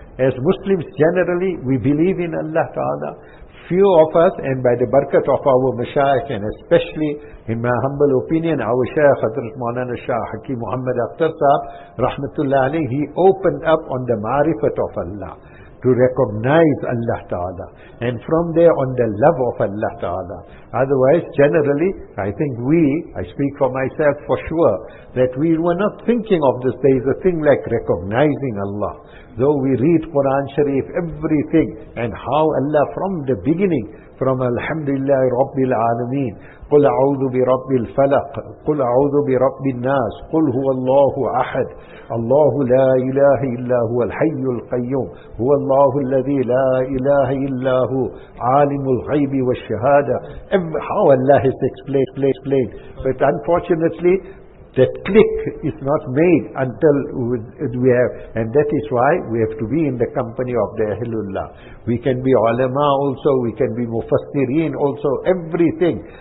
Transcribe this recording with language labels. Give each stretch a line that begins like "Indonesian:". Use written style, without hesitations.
English: As Muslims generally, we believe in Allah Ta'ala. Few of us, and by the barakat of our mashayikh, and especially in my humble opinion, our Shaykh Hazrat Maulana Shah Hakim Muhammad Akhtar Sahib, Rahmatullah Ali, he opened up on the ma'rifat of Allah. To recognize Allah Ta'ala, and from there on the love of Allah Ta'ala. Otherwise, generally, I speak for myself for sure, that we were not thinking of this. There is a thing like recognizing Allah. though we read Quran Sharif, everything, and how Allah from the beginning, from Alhamdulillah Rabbil Alameen,
Arabic: قُلْ أَعُوذُ بِرَبِّ الْفَلَقِ قُلْ أَعُوذُ بِرَبِّ النَّاسِ قُلْ هُوَ اللَّهُ أَحَدٌ اللَّهُ لَا إِلَهَ إِلَّا هُوَ الْحَيُّ الْقَيُّومُ هُوَ اللَّهُ الَّذِي لَا إِلَهَ إِلَّا هُوَ عَالِمُ الْغَيْبِ وَالشَّهَادَةِ.
English: How Allah has explained. But unfortunately, that click is not made until we have, and that is why we have to be in the company of the Ahlullah. We can be ulama also, we can be mufassireen also, everything.